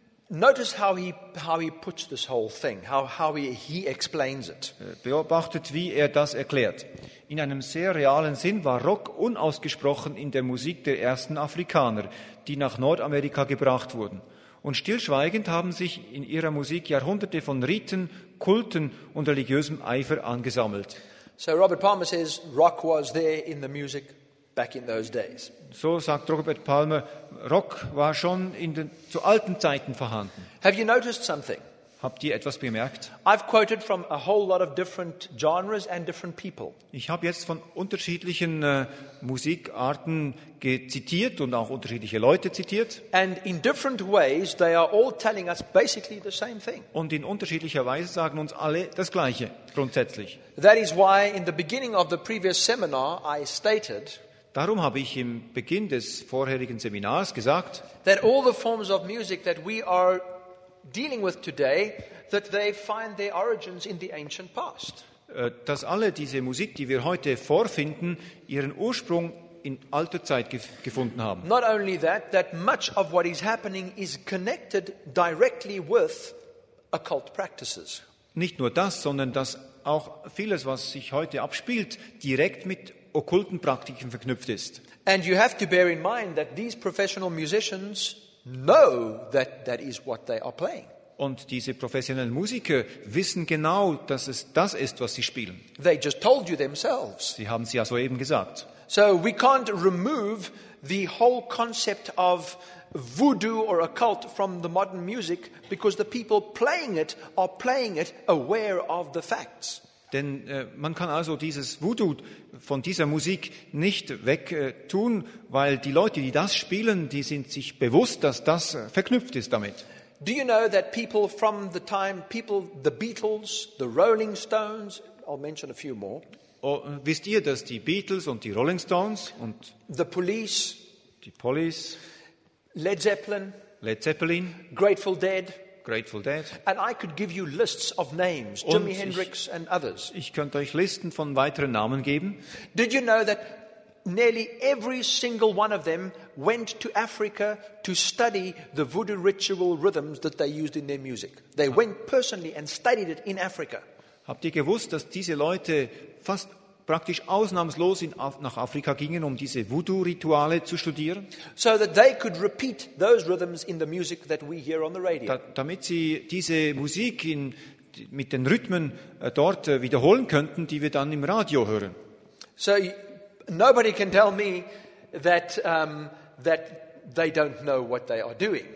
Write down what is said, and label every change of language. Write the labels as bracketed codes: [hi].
[en] Notice how he puts this whole thing, how he explains it. [de] Beobachtet, wie das erklärt. In einem sehr realen Sinn war Rock unausgesprochen in der Musik der ersten Afrikaner, die nach Nordamerika gebracht wurden. Und stillschweigend haben sich in ihrer Musik Jahrhunderte von Riten, Kulten und religiösem Eifer angesammelt. [en] So Robert Palmer says, rock was there in the music back in those days. [de] So sagt Robert Palmer, Rock war schon zu alten Zeiten vorhanden. [en] Have you noticed something? [de] Habt ihr etwas bemerkt? [en] I've quoted from a whole lot of different genres and different people. [de] Ich habe jetzt von unterschiedlichen Musikarten zitiert und auch unterschiedliche Leute zitiert. [en] And in different ways they are all telling us basically the same thing. [de] Und in unterschiedlicher Weise sagen uns alle das Gleiche grundsätzlich. [en] That is why in the beginning of the previous seminar I stated. [de] Darum habe ich im Beginn des vorherigen Seminars gesagt, [en] that all the forms of music that we are dealing with today, that they find their origins in the ancient past. [de] Dass alle diese Musik, die wir heute vorfinden, ihren Ursprung in alter Zeit gefunden haben. [en] Not only that much of what is happening is connected directly with occult practices. [de] Nicht nur das, sondern dass auch vieles, was sich heute abspielt, direkt mit okkulten Praktiken verknüpft ist. [en] And you have to bear in mind that these professional musicians know that that is what they are playing. [de] Und diese professionellen Musiker wissen genau, dass es das ist, was sie spielen. [en] They just told you themselves. [de] Sie haben es ja soeben gesagt. [en] So we can't remove the whole concept of voodoo or occult from the modern music because the people playing it are playing it aware of the facts. [de] Denn man kann also dieses Voodoo von dieser Musik nicht wegtun, weil die Leute, die das spielen, die sind sich bewusst, dass das verknüpft ist damit. [en] Do you know that people from the time, people, the Beatles, the Rolling Stones, I'll mention a few more. [de] Oh, wisst ihr, dass die Beatles und die Rolling Stones und [en] the Police, [de] die Police, [en] Led Zeppelin, Grateful Dead. And I could give you lists of names, Jimi Hendrix and others. [de] Ich könnte euch Listen von weiteren Namen geben. [en] Did you know that nearly every single one of them went to Africa to study the voodoo ritual rhythms that they used in their music? They went personally and studied it in Africa. [de] Habt ihr gewusst, dass diese Leute fast praktisch ausnahmslos nach Afrika gingen, um diese Voodoo-Rituale zu studieren? [en] So that they could repeat those rhythms in the music that we hear on the radio. [de] Damit sie diese Musik mit den Rhythmen dort wiederholen könnten, die wir dann im Radio hören. [en] So nobody can tell me that that they don't know what they are doing.